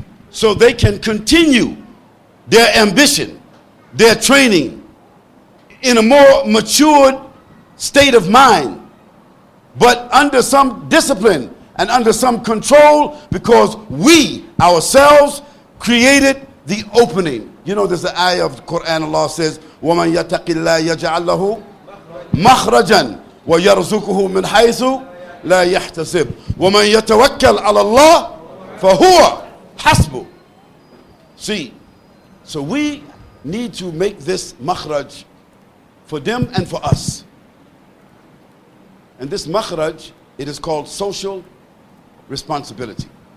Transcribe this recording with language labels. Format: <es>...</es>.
<en>So they can continue their ambition, their training in a more matured state of mind, but under some discipline and under some control, because we ourselves created the opening. You know, there's an ayah of the Quran, Allah says,</en> <ar>وَمَنْ يَتَقِ اللَّهِ يَجْعَلْ لَهُ مَخْرَجًا وَيَرْزُقُهُ مِنْ حَيْثُ لَا يَحْتَسِبُ وَمَنْ يَتَوَكَّلْ عَلَى اللَّهِ فَهُوَ حَسْبُ.</ar> <en>See, so we need to make this makhraj for them and for us. And this makhraj, it is called social responsibility.</en>